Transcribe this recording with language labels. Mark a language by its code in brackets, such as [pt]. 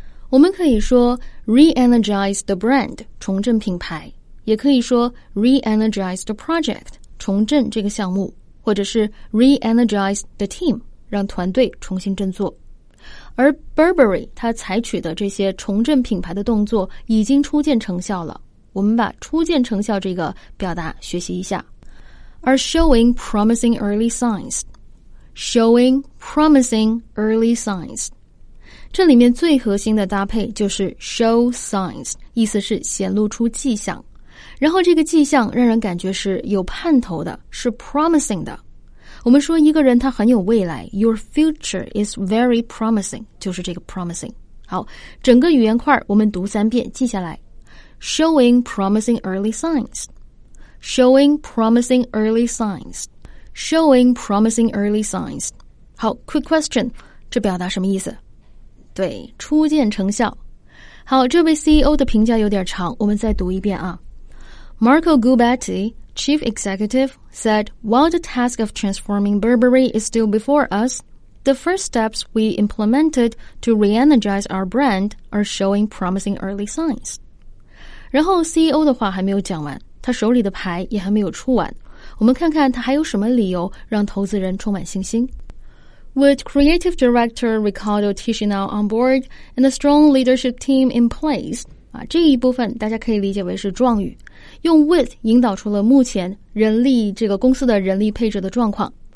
[zh] 我们可以说 [en] re-energize the brand， [zh] 重振品牌，也可以说 [en] re-energize the project， [zh] 重振这个项目，或者是 [en] re-energize the team， [zh] 让团队重新振作。而 Burberry 它采取的这些重振品牌的动作已经初见成效了，我们把初见成效这个表达学习一下。 [en] Are showing promising early signs. Showing promising early signs. [zh] 这里面最核心的搭配就是 show signs， 意思是显露出迹象。然后这个迹象让人感觉是有盼头的，是 promising 的。我们说一个人他很有未来， [en] Your future is very promising， [zh] 就是这个 promising。好，整个语言块我们读三遍记下来。 [en] Showing promising early signs. Showing promising early signs. Showing promising early signs. [zh] 好， [en] quick question， [zh] 这表达什么意思？对，初见成效。好，这位 CEO 的评价有点长，我们再读一遍啊。 [en] Marco Gubatti, chief executive, said, While the task of transforming Burberry is still before us, the first steps we implemented to re-energize our brand are showing promising early signs. [zh] 然后 CEO 的话还没有讲完，他手里的牌也还没有出完。我们看看他还有什么理由让投资人充满信心。 [en] With creative director Ricardo Tichenor on board and a strong leadership team in place, [zh] 啊，这一部分大家可以理解为是状语，用 with 引导出了目前人力这个公司的人力配置的状况。